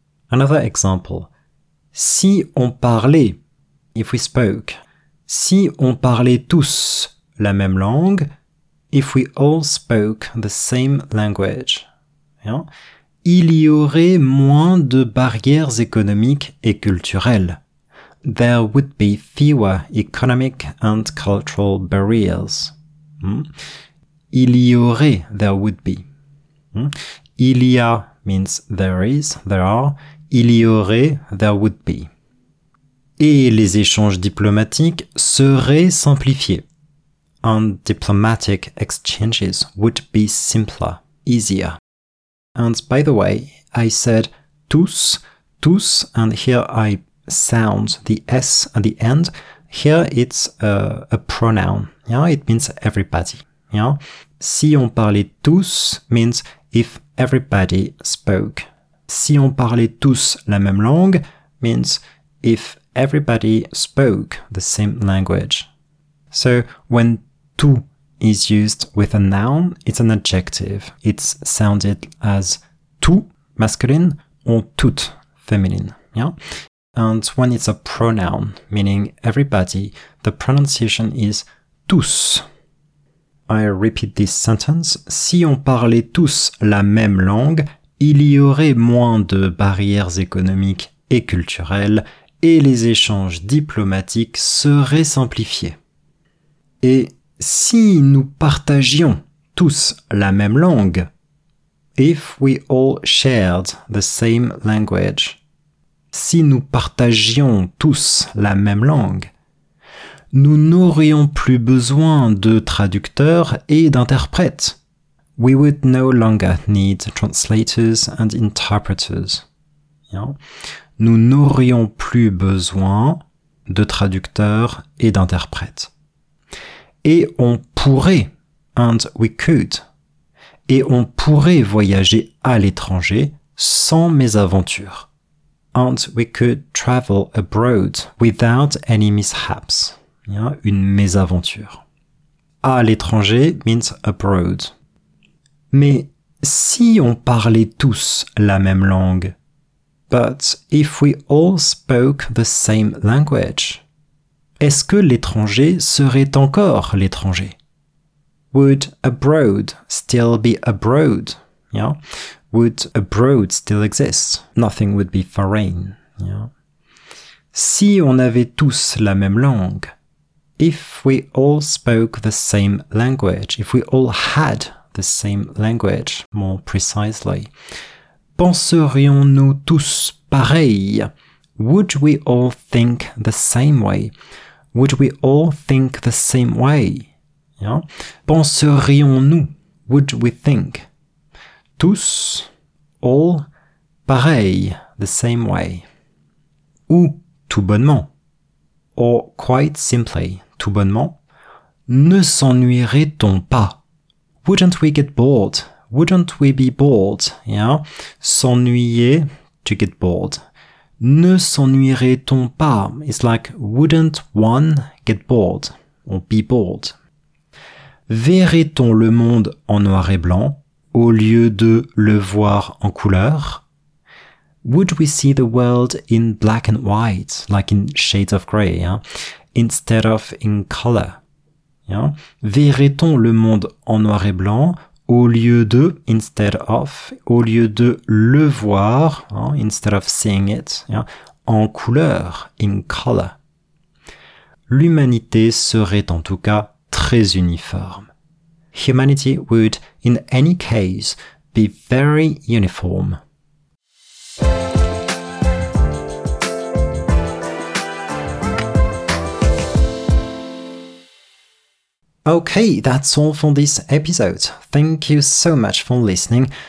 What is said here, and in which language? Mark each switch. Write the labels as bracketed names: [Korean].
[English] Another example. [French] Si on parlait, [English] if we spoke, [French] si on parlait tous la même langue, [English] if we all spoke the same language, [French] yeah, il y aurait moins de barrières économiques et culturelles. [English] There would be fewer economic and cultural barriers. [French] Il y aurait, [English] there would be. [French] Il y a [English] means there is, there are. [French] Il y aurait, [English] there would be. [French] Et les échanges diplomatiques seraient simplifiés. [English] And diplomatic exchanges would be simpler, easier. And by the way, I said tous, and here I sound the S at the end. Here it's a pronoun. Yeah, it means everybody. Yeah. [French] Si on parlait tous [English] means if everybody spoke. [French] Si on parlait tous la même langue [English] means if everybody spoke the same language. So when tout is used with a noun, it's an adjective. It's sounded as tout masculine or toute feminine. Yeah. And when it's a pronoun meaning everybody, the pronunciation is tous. I repeat this sentence. [French] Si on parlait tous la même langue, il y aurait moins de barrières économiques et culturelles et les échanges diplomatiques seraient simplifiés. Et si nous partagions tous la même langue, [English] if we all shared the same language, [French] si nous partagions tous la même langue, nous n'aurions plus besoin de traducteurs et d'interprètes. [English] We would no longer need translators and interpreters. Yeah. [French] Nous n'aurions plus besoin de traducteurs et d'interprètes. Et on pourrait, [English] and we could, [French] et on pourrait voyager à l'étranger sans mésaventures. [English] And we could travel abroad without any mishaps. [French] Yeah, une mésaventure. À l'étranger [English] means abroad. [French] Mais si on parlait tous la même langue, [English] but if we all spoke the same language, [French] est-ce que l'étranger serait encore l'étranger? [English] Would abroad still be abroad? Yeah. Would abroad still exist? Nothing would be foreign. Yeah. Si on avait tous la même langue, if we all spoke the same language, if we all had the same language, more precisely, [French] penserions-nous tous pareil? [English] Would we all think the same way? Would we all think the same way? Yeah? [French] Penserions-nous? [English] Would we think? Tous, all, pareil, the same way. [French] Ou tout bonnement. [English] Or quite simply. [French] Tout bonnement, ne s'ennuierait-on pas? [English] Wouldn't we get bored? Wouldn't we be bored? Yeah? S'ennuyer, to get bored. [French] ne s'ennuierait-on pas? [English] It's like, wouldn't one get bored or be bored? [French] Verrait-on le monde en noir et blanc au lieu de le voir en couleur? [English] Would we see the world in black and white, like in shades of grey, hein? Instead of in color? Yeah. [French] Verrait-on le monde en noir et blanc au lieu de, [English] instead of, [French] au lieu de le voir, hein, [English] instead of seeing it, [French] yeah, en couleur, [English] in color? [French] L'humanité serait en tout cas très uniforme. [English] Humanity would, in any case, be very uniform. Okay, that's all for this episode. Thank you so much for listening.